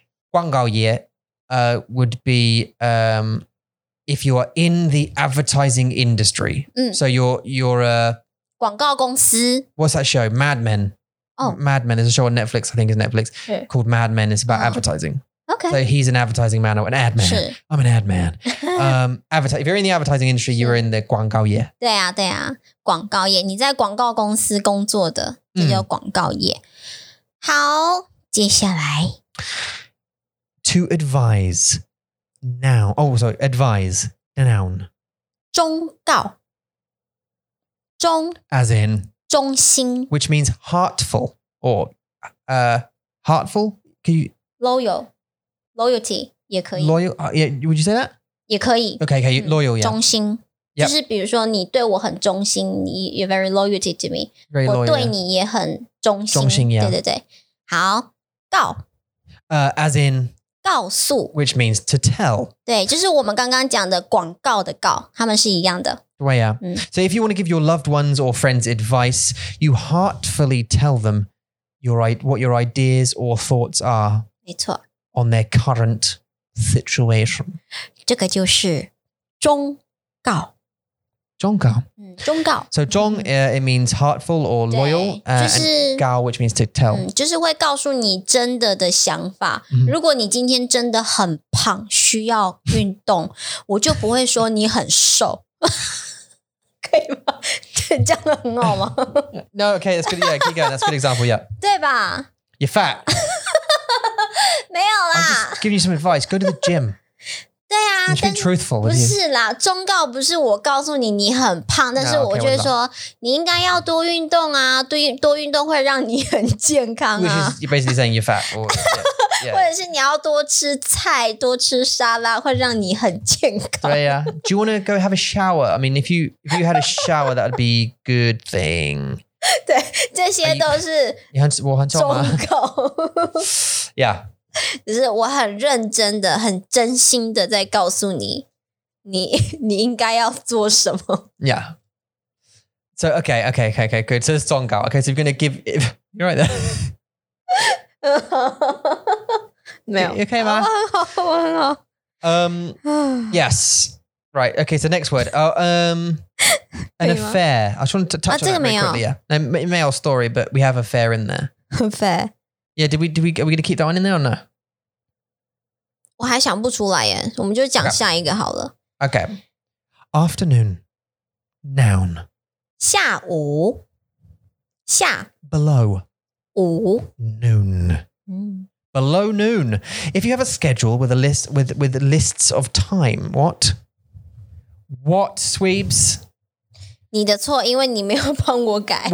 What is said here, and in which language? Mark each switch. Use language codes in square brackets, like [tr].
[en] 广告业would be if you are in the advertising industry. So you're a [zh] 广告公司. [en] What's that show? Mad Men. Oh, Mad Men is a show on Netflix. I think it's Netflix called Mad Men. It's about advertising. Okay. So he's an advertising man or an ad man. [zh] 是 [en] I'm an ad man. if you're in the advertising industry, you're in the 广告业。 [zh] 对啊，对啊，广告业，你在广告公司工作的，这叫广告业。好，接下来。 [en] To advise, noun. Oh, sorry, advise, noun. [zh] 忠告。忠。 [en] As in. [zh] 忠心。 [en] Which means heartful or heartful? Can you? Loyal. Loyalty [zh] 也可以 [en] Loyal,、yeah, would you say that? [zh] 也可以 [en] Okay, okay, loyal, yeah [zh] 忠心、yep. 就是比如说你对我很忠心 [en] You're very loyalty to me Very loyal [zh] 我对你也很忠心忠心 yeah 对对对好告、 [en] As in [zh] 告诉 [en] Which means to tell [zh] 对就是我们刚刚讲的广告的告他们是一样的 [en] Right, yeah、So if you want to give your loved ones or friends advice You heartfully tell them what your ideas or thoughts are [zh] 没错 [en] On their current situation. [zh] 这个就是忠告。忠告。忠告。 [en] So 忠 it means heartful or loyal, [zh] 就是、 [en] and 告 which means to tell. [zh] 就是会告诉你真的的想法。如果你今天真的很胖需要运动我就不会说你很瘦。可以吗这样的很好吗 [en] No, okay, that's good. Yeah, keep going. That's a good example, yeah. [zh] 对吧 [en] You're fat. [zh] 没有啦 [en] I'm just giving you some advice. Go to the gym. [zh] 对啊 [en] You should be truthful with you. [zh] 不是啦忠告不是我告诉你你很胖但是 [en] no, okay, [zh] 我觉得说你应该要多运动啊多运动会让你很健康啊 [en] Which is you're basically saying you're fat. Or, yeah, [zh] yeah. 或者是你要多吃菜多吃沙拉会让你很健康。对啊 [en] Do you want to go have a shower? I mean, if you had a shower, that would be a good thing. [zh] 对这些都是我很重口。 [en] Yeah. [zh] 只是我很认真的很真心的在告诉你你应该要做什么。 [en] Yeah. So, okay, okay, okay, okay, good. So, it's 忠告. Okay, so you're going to give... You're right there. [zh] 没有。 [en] You okay, man? [zh] 我很好。 [en] Yes. Right, okay, so next word. An affair. I just wanted to touch on that very quickly. Yeah. No, male story, but we have affair in there. Affair. Yeah, did we are we going to keep that one in there or no? [zh] 我还想不出来耶。我们就讲下一个好了。 [en] Okay. Afternoon. Noun. [zh] 下午。下。 [en] Below. [zh] 午。 [en] Noon. Below noon. If you have a schedule with a list, with lists of time, what? What, Sweebs? [zh] 你的错，因为你没有帮我改。